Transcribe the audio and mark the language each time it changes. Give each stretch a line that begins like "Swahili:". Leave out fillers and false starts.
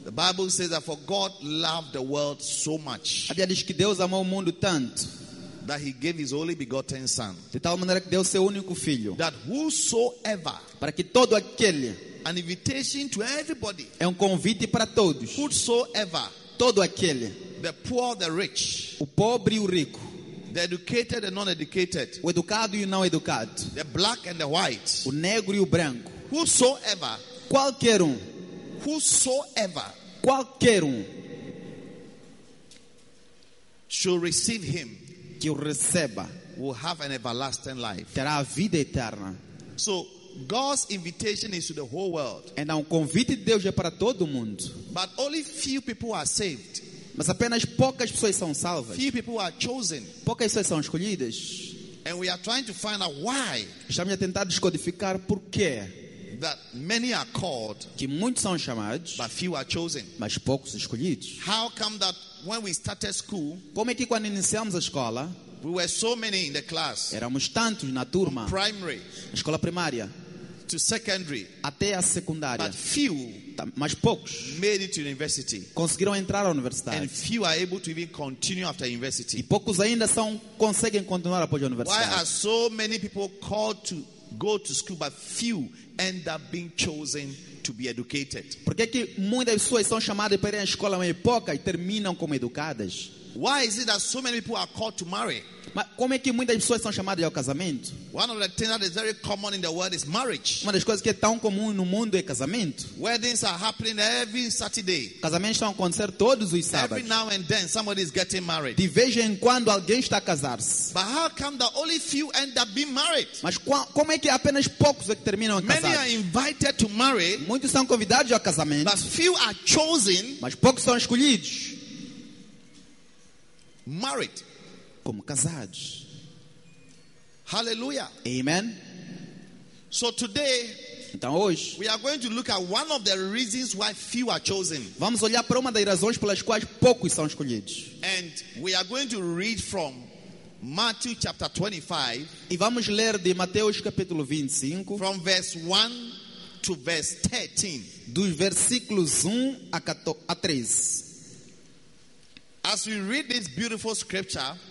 English: The Bible says that for God loved the world so much.
Portuguese: A Bíblia diz que Deus amou o mundo tanto.
English: That he gave his only begotten son.
Portuguese: De tal maneira que deu seu único filho.
English: That whosoever.
Portuguese: Para que todo aquele.
English: An invitation to everybody.
Portuguese: É um convite para todos.
English: Whosoever,
Portuguese: todo aquele.
English: The poor, the rich.
Portuguese: O pobre e o rico.
English: The educated and non-educated.
Portuguese: O educado e o não educado.
English: The black and the white.
Portuguese: O negro e o branco.
English: Whosoever,
Portuguese: qualquer um.
English: Whosoever,
Portuguese: qualquer um.
English: Shall receive him.
Portuguese: Que o receba.
English: Will have an everlasting life.
Portuguese: Terá a vida eterna.
English: So God's invitation is to the whole world.
Portuguese: E um convite de Deus é para todo mundo.
English: But only few people are saved.
Portuguese: Mas apenas poucas pessoas são salvas.
English: Few people are chosen.
Portuguese: Poucas pessoas são escolhidas.
English: And we are trying to find out why.
Portuguese: Estamos a tentar descodificar por quê.
English: That many are called.
Portuguese: Que muitos são chamados.
English: But few are chosen.
Portuguese: Mas poucos escolhidos.
English: How come that when we started school?
Portuguese: Como é que quando iniciamos a escola?
English: We were so many in the class.
Portuguese: Éramos tantos na turma.
English: Primary.
Portuguese: Escola primária.
English: to secondary,
Portuguese: até a secundária.
English: But few,
Portuguese: mas poucos,
English: made it to university,
Portuguese: conseguiram entrar à universidade.
English: And few are able to even continue after university.
Portuguese: E poucos ainda são conseguem continuar após a universidade.
English: Why are so many people called to go to school, but few end up being chosen to be educated?
Portuguese: Por que que muitas pessoas são chamadas para ir à escola, mas pouca e terminam como educadas?
English: Why is it that so many people are called to marry?
Portuguese: Mas como é que muitas pessoas são chamadas ao casamento?
English: One of the things that is very common in the world is marriage.
Portuguese: Uma das coisas que é tão comum no mundo é casamento.
English: Weddings are happening every Saturday.
Portuguese: Casamentos estão a acontecer todos os sábados.
English: Every now and then somebody is getting married.
Portuguese: De vez em quando alguém está a casar-se.
English: But how come that only few end up being married?
Portuguese: Mas como é que apenas poucos é que terminam a casar?
English: Many are invited to marry.
Portuguese: Muitos são convidados ao casamento.
English: But few are chosen.
Portuguese: Mas poucos são escolhidos.
English: Married.
Portuguese: Como casados. Hallelujah. Amen.
English: So today,
Portuguese: então hoje,
English: we are going to look at one of the reasons why few are chosen.
Portuguese: Vamos olhar para uma das razões pelas quais poucos são escolhidos.
English: And we are going to read from Matthew chapter 25.
Portuguese: E vamos ler de Mateus capítulo 25.
English: From verse 1 to verse 13.
Portuguese: Dos versículos 1 a 13.
English: As we read this beautiful scripture,